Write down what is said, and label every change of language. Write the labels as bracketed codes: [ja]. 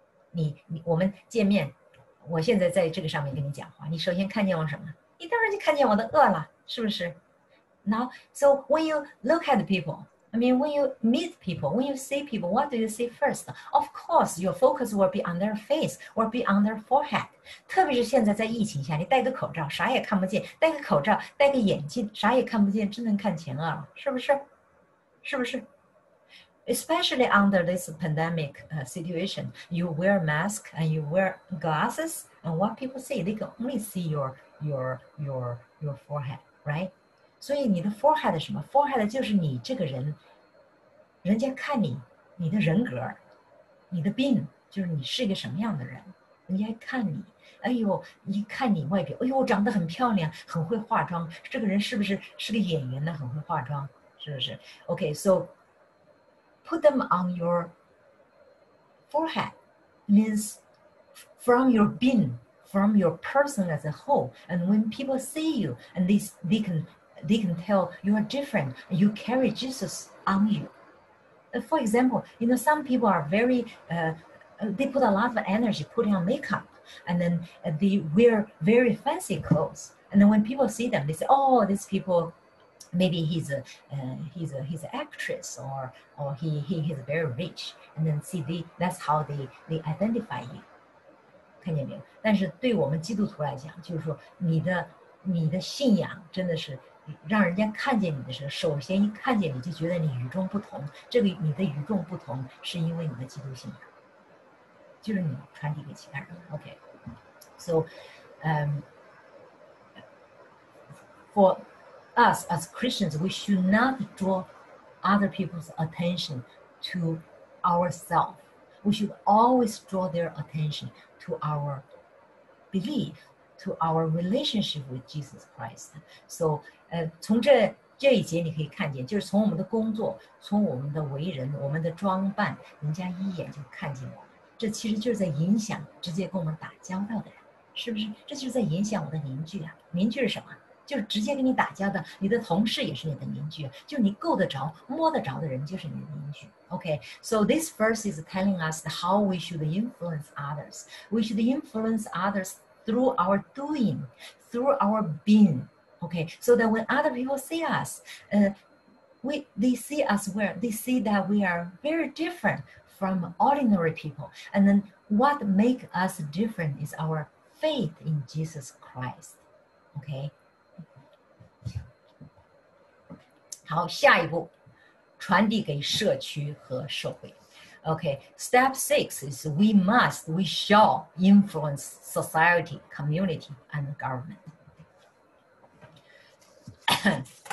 [zh] 你我们见面，我现在在这个上面跟你讲话，你首先看见我什么？你当然就看见我的恶了，是不是？ [en] Now, so when you look at people, I mean, when you meet people, when you see people, what do you see first? Of course, your focus will be on their face, will be on their forehead. [zh] 特别是现在在疫情下，你戴个口罩，啥也看不见；戴个口罩，戴个眼镜，啥也看不见，真能看前额了，是不是？是不是？ [en] Especially under this pandemic situation, you wear mask and you wear glasses, and what people see, they can only see your forehead, right? [zh] 所以你的 forehead 什么？ forehead 就是你这个人，人家看你，你的人格，你的病，就是你是一个什么样的人，人家看你，哎呦，一看你外表，哎呦，长得很漂亮，很会化妆，这个人是不是是个演员呢？很会化妆，是不是？ [en] Okay, so put them on your forehead means from your being. From your person as a whole, and when people see you, and they can tell you are different, you carry Jesus on you. For example, you know, some people are very, they put a lot of energy putting on makeup, and then they wear very fancy clothes. And then when people see them, they say, oh, these people, maybe he's an actress, or he's very rich. And then see, that's how they identify you. [zh] 看见没有？但是对我们基督徒来讲，就是说你的信仰真的是让人家看见你的时候，首先一看见你就觉得你与众不同。这个你的与众不同是因为你的基督信仰，就是你传递给其他人。 [en] OK, so, for us as Christians, we should not draw other people's attention to ourselves. We should always draw their attention. To our belief, to our relationship with Jesus Christ. [zh] So, 从这一节你可以看见，就是从我们的工作，从我们的为人，我们的装扮，人家一眼就看见我们。这其实就是在影响直接跟我们打交道的人，是不是？这就是在影响我的邻居啊。邻居是什么？就是直接跟你打交道，你的同事也是你的邻居，就你够得着、摸得着的人就是你的邻居。 [en] Okay, so this verse is telling us how we should influence others. We should influence others through our doing, through our being. Okay, so that when other people see us, they see us where? They see that we are very different from ordinary people. And then what makes us different is our faith in Jesus Christ. Okay? [zh] 好，下一步，传递给社区和社会。 [en] Okay, step six is we shall influence society, community, and government.